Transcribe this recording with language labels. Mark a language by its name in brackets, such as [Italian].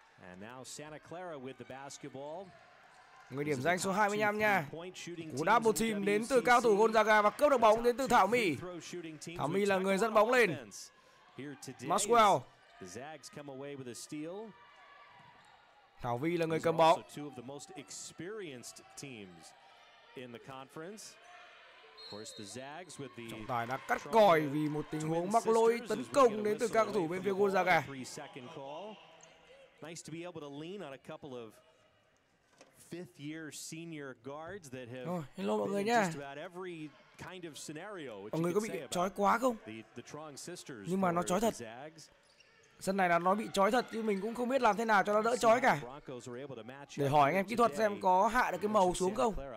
[English] And now Santa Clara with the basketball. [Vietnamese] Người điểm danh số 25 nha. Cú đá một team đến từ cao thủ Gonzaga và cướp được bóng đến từ Thảo My. Thảo My là người dẫn bóng lên. Maxwell. [English] The Zags come away with a steal. [Vietnamese] Thảo My là người cầm bóng. [English] Two of the most experienced teams in the conference. Of course, the Zags with the [Vietnamese] trọng tài đã cắt còi vì một tình huống mắc lỗi tấn công đến từ cao thủ bên phía Gonzaga. [English] Nice to be able to lean on a couple of fifth year senior guards that have [Vietnamese] hello mọi người nhá. [English] Kind of scenario, [Vietnamese] mọi người có bị chói quá không? Nhưng mà nó chói thật. Sân này là nó bị chói thật nhưng mình cũng không biết làm thế nào cho nó đỡ chói cả. Để hỏi anh em kỹ thuật xem có hạ được cái màu xuống không.